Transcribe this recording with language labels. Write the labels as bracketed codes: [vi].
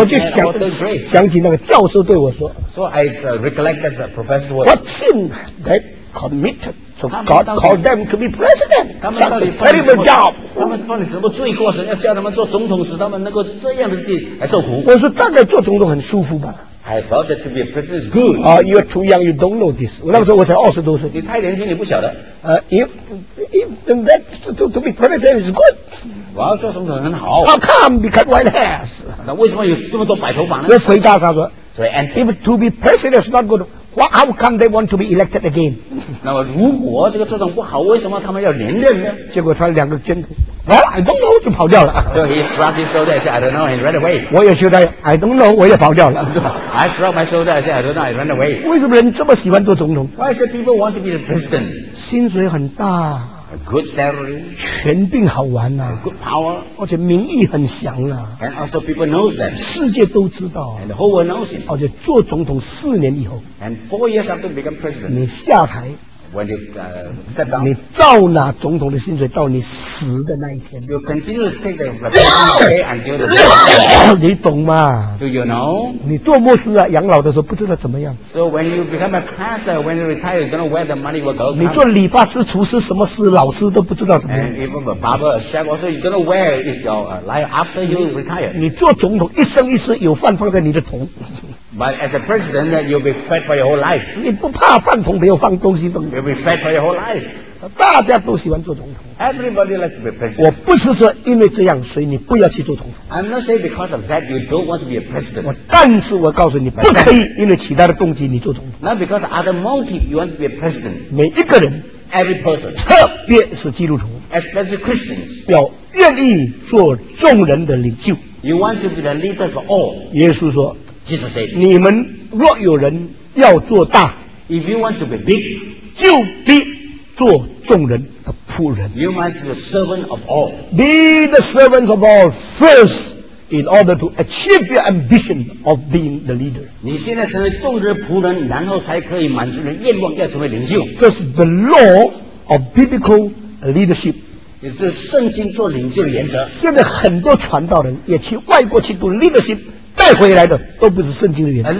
[zh] 我就想起那个教授对我说 [en] ，So I recollect that the professor was what sin that committed。 So God called them to be president. [zh] 他们到底犯了什么？他们犯了什么罪过？神要叫他们做总统，使他们能够这样的去来受苦。我说大概做总统很舒服吧。 [en] I thought that to be a president is good. You are too young. You don't know this. [zh] 那个时候我才二十多岁。你太年轻，你不晓得。 [en] If that to be president is good. [zh] 我要做总统很好。 [en] How come because white hairs? [zh] 那为什么有这么多白头发呢？我回答他说。 [en] So I answer. If to be president is not good. Well, how come they want to be elected again? [zh] 那么如果这个这种不好，为什么他们要连任呢？结果他两个拳头 ， [en] Well, I don't know， [zh] 就跑掉了。 [en] So he shrugged his shoulder, said, "I don't know," and ran away. [zh] 我也觉得 ， [en] I don't know， [zh] 我也跑掉了。 [en] I shrugged my shoulder, said, "I don't know," and ran away. [zh] 为什么人这么喜欢做总统 [en] ？Why should people want to be the president? [zh] 薪水很大。 [en] A good salary. [zh] 权柄好玩呐、啊。 [en] A good power. [zh] 而且名誉很响啊。 [en] And also people knows that. [zh] 世界都知道。 [en] And the whole world knows it. [zh] 而且做总统四年以后。 [en] And 4 years after become president. [zh] 你下台。 [en] When you step down. [zh] 你照拿总统的薪水到你死的那一天。 [en] You continue to take the president's pay until the death. [zh] 你懂吗 [en] ？Do you know? [zh] 你做牧师啊，养老的时候不知道怎么样。 [en] So when you become a pastor, when you retire, you don't know where the money will go. [zh] 你做理发师、厨师、什么师、老师都不知道怎么样。 [en] And even a barber, a chef, also you don't know where is your life after you retire. [zh] 你做总统，一生一世有饭放在你的头。 [en] But as a president, then you'll be fed for your whole life. [zh] 你不怕饭桶没有放东西吗 [en] ？You'll be fed for your whole life. [zh] 大家都喜欢做总统。 [en] Everybody likes to be president. [zh] 我不是说因为这样，所以你不要去做总统。 [en] I'm not saying because of that you don't want to be a president. [zh] 但是我告诉你，不可以因为其他的动机你做总统。 [en] Not because of other motive you want to be a president. [zh] 每一个人 [en] ，every person， [zh] 特别是基督徒 [en] ，especially Christians， [zh] 要愿意做众人的领袖。 [en] You want to be the leader for all. [zh] 耶稣说。你们若有人要做大 [en] ，If you want to be big， [zh] 就必做众人的仆人。 [en] You must be the servant of all. Be the servant of all first in order to achieve your ambition of being the leader. [zh] 你现在成为众人仆人，然后才可以满足人愿望，要成为领袖。 [en] This is the law of biblical leadership. [zh] 也是圣经做领袖的原则。现在很多传道人也去外国去读 leadership。带回来的都不是圣经的原则。